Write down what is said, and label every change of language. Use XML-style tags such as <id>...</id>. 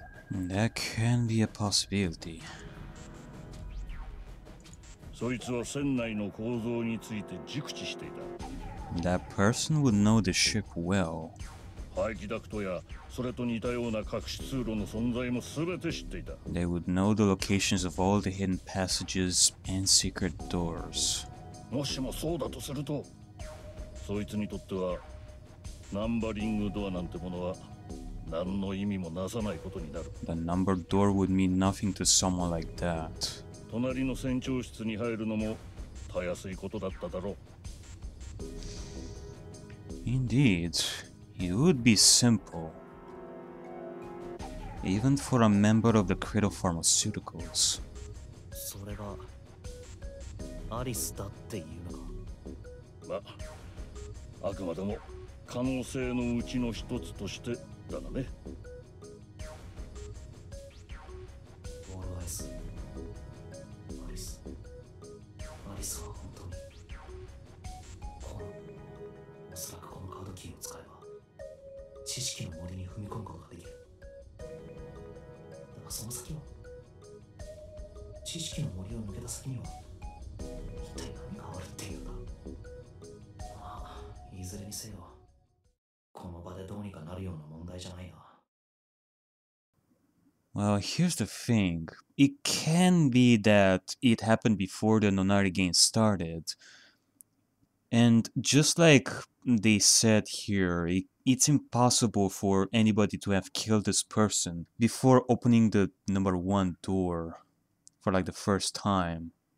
<en>That can be a possibility.</en> <ja>そいつは船内の構造について熟知していた。</ja> <en>That person would know the ship well.</en> <ja>排気ダクトやそれと似たような隠し通路の存在も全て知っていた。</ja> <en>They would know the locations of all the hidden passages and secret doors.</en> <ja>もしもそうだとすると、そいつにとってはナンバリングドアなんてものは何の意味もなさないことになる。</ja> <en>The numbered door would mean nothing to someone like that.</en> <ja>隣の船長室に入るのもたやすいことだっただろう。</ja> <en>Indeed, it would be simple. Even for a member of the Credo Pharmaceuticals.</en> <ja>それがアリスだっていうのか。まあ、あくまでも可能性のうちの一つとしてだがね。オールアイス。アリス。アリスは本当に。この、おそらくこのカードキーを使えば、知識の森に踏み込むことができる。その先は知識の森を抜けた先には一体何があるっていうか。まあいずれにせよこの場でどうにかなるような問題じゃないな。</ja> <en>Well, here's the thing. It can be that it happened before the Nonary game started. And just like they said here, it's impossible for anybody to have killed this person before opening the number one door for like the first time.</en>